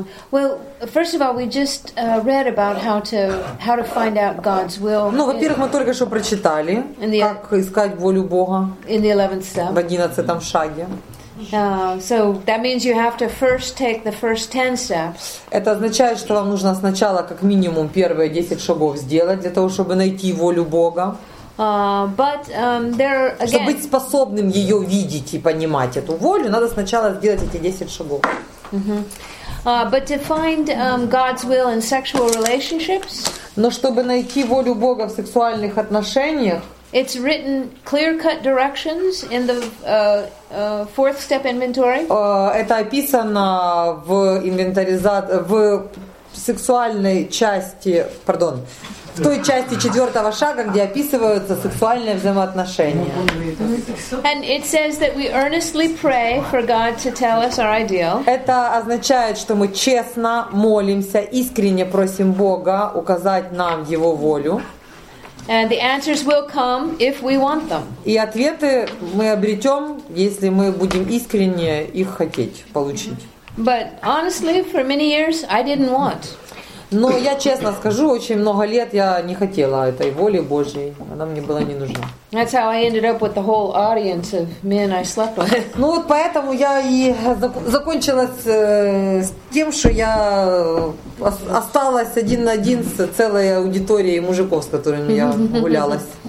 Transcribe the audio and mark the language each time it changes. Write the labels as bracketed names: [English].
[English] Well, first of all, we just read about how to find out God's will. [Russian] Ну, во-первых, мы только что прочитали, как искать волю Бога. [English] In the 11th step. [Russian] В 11-м шаге. [English] So that means you have to first take the first 10 steps. [Russian] Это означает, что вам нужно сначала как минимум первые 10 шагов сделать для того, чтобы найти волю Бога. [English] But there again. [Russian] Чтобы быть способным ее видеть и понимать эту волю, надо сначала сделать эти 10 шагов. [English] But to find God's will in sexual relationships. [Russian] Но чтобы найти волю Бога в сексуальных отношениях. [English] It's written clear-cut directions in the fourth step inventory. [Russian] Это описано в инвентаризации в сексуальной части, pardon, в той части четвертого шага, где описываются сексуальные взаимоотношения. [English] And it says that we earnestly pray for God to tell us our ideal. [Russian] Это означает, что мы честно молимся, искренне просим Бога указать нам Его волю. [English] And the answers will come if we want them. [Russian] И ответы мы обретем, если мы будем искренне их хотеть получить. [English] But honestly, for many years, I didn't want. [Russian] Но я честно скажу, очень много лет я не хотела этой воли Божьей. Она мне была не нужна. [English] That's how I ended up with the whole audience of men I slept with. [Russian] Ну вот поэтому я и закончилась с тем, что я осталась один на один с целой аудиторией мужиков, с которыми я гулялась.